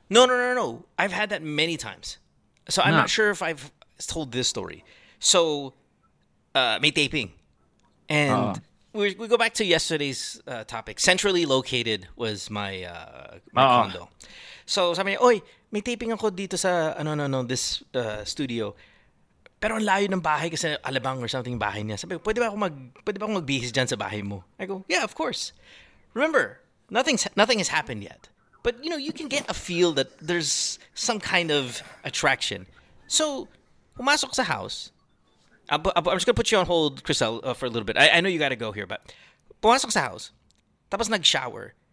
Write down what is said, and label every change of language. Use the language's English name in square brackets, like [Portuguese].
[English] No. I've had that many times. So I'm not sure if I've told this story. [Filipino] So, may taping. [English] And we go back to yesterday's topic. Centrally located was my condo. [Filipino] So, sabi niya, oy, may taping ako dito sa, this studio. Pero ang layo ng bahay kasi alabang or something bahay niya. Sabi ko, pwede ba akong magbihis dyan sa bahay mo? [English] I go, yeah, of course. Remember, nothing has happened yet. But, you know, you can get a feel that there's some kind of attraction. [Filipino] So, pumasok sa house. [English] I'm just gonna put you on hold, Chriselle, for a little bit. I know you gotta go here, but [Filipino] pumasok sa house, tapos nag-shower.